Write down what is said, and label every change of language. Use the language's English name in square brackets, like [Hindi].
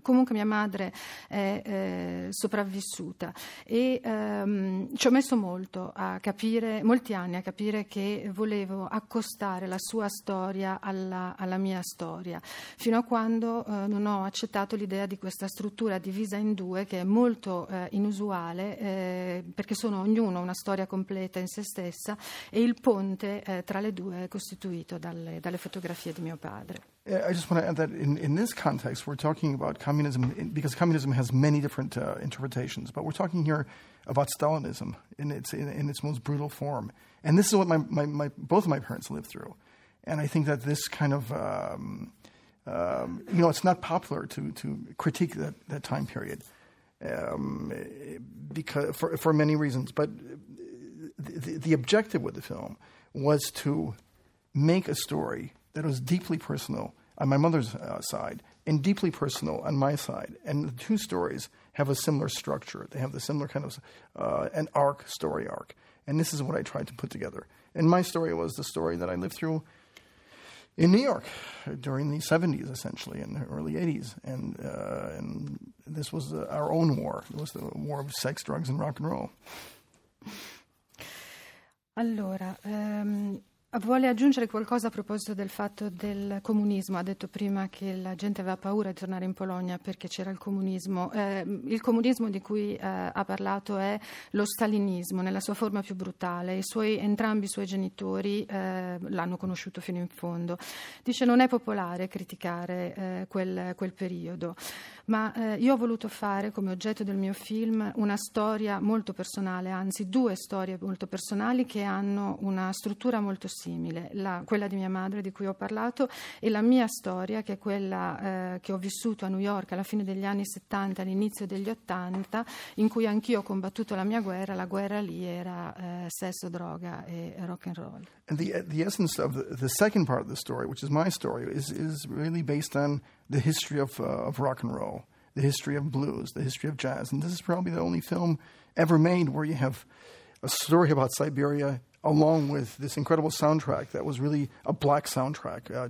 [Italian] Comunque mia madre è sopravvissuta e ci ho messo molti anni a capire che volevo accostare la sua storia alla mia storia, fino a quando non ho accettato l'idea di questa struttura divisa in due, che è molto inusuale, perché sono ognuno una storia completa in se stessa e il ponte tra le due è costituito dalle fotografie di mio padre. [English] I just want to add that in this context, we're talking about communism, because communism has many different interpretations, but we're talking here about Stalinism in its most brutal form. And this is what both of my parents lived through. And I think that this kind of, it's not popular to critique that time period because for many reasons. But the objective with the film was to make a story that was deeply personal on my mother's side and deeply personal on my side. And the two stories have a similar structure. They have the similar kind of story arc. And this is what I tried to put together. And my story was the story that I lived through in New York during the 70s, essentially, in the early 80s. And this was our own war. It was the war of sex, drugs, and rock and roll. [Italian] Allora, vuole aggiungere qualcosa a proposito del fatto del comunismo? Ha detto prima che la gente aveva paura di tornare in Polonia perché c'era il comunismo. Il comunismo di cui ha parlato è lo stalinismo nella sua forma più brutale. Entrambi i suoi genitori l'hanno conosciuto fino in fondo. Dice: non è popolare criticare quel periodo, ma io ho voluto fare come oggetto del mio film una storia molto personale, anzi due storie molto personali che hanno una struttura molto simile, quella di mia madre di cui ho parlato e la mia storia, che è quella che ho vissuto a New York alla fine degli anni 70, all'inizio degli 80, in cui anch'io ho combattuto la mia guerra. La guerra lì era sesso, droga e rock and roll. [English] And the essence of the second part of the story, which is my story, is really based on the history of rock and roll, the history of blues, the history of jazz. And this is probably the only film ever made where you have a story about Siberia along with this incredible soundtrack that was really a black soundtrack.